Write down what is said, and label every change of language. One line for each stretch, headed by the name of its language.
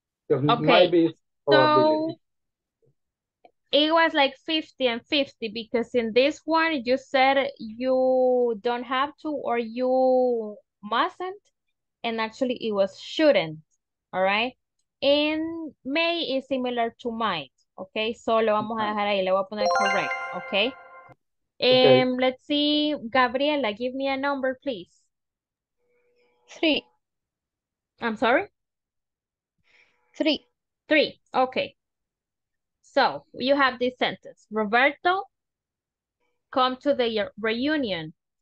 English: Okay, so it was like 50 and 50 because in this one you said you don't have to or you mustn't, and actually it was shouldn't. All right, in may is similar to might.
Spanish: Okay, so lo vamos a dejar ahí, le voy a poner correct.
English: Okay, okay. Let's see, Gabriela, give me a number, please. 3. I'm sorry. 3. 3. Okay. So you have this sentence. Roberto come to the reunion.